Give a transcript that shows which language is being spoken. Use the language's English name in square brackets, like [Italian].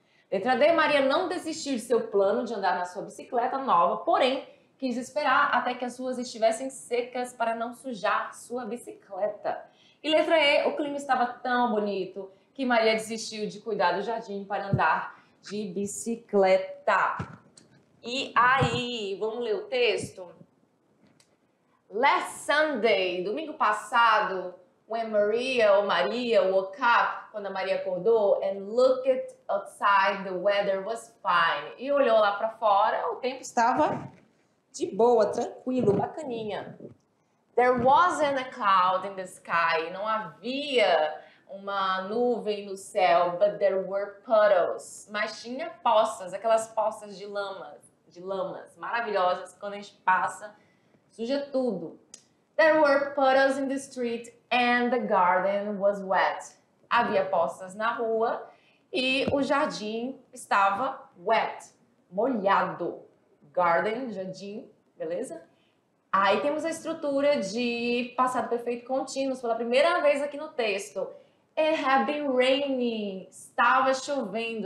[Portuguese] Letra D, Maria não desistiu de seu plano de andar na sua bicicleta nova, porém, quis esperar até que as ruas estivessem secas para não sujar sua bicicleta. E letra E, o clima estava tão bonito que Maria desistiu de cuidar do jardim para andar de bicicleta. E aí, vamos ler o texto? [English] Last Sunday, [Portuguese] domingo passado, [English] when Maria, [Portuguese] ou Maria, [English] woke up, [Portuguese] quando a Maria acordou, [English] and looked outside, the weather was fine. [Portuguese] E olhou lá para fora, o tempo estava de boa, tranquilo, bacaninha. [English] There wasn't a cloud in the sky. [Portuguese] Não havia uma nuvem no céu, [English] but there were puddles. [Portuguese] Mas tinha poças, aquelas poças de lamas, maravilhosas, quando a gente passa, suja tudo. [English] There were puddles in the street and the garden was wet. [Portuguese] Havia poças na rua e o jardim estava wet, molhado. Garden, jardim, beleza? Aí temos a estrutura de passado perfeito contínuo, pela primeira vez aqui no texto. [English] It had been raining. [Portuguese] Estava chovendo.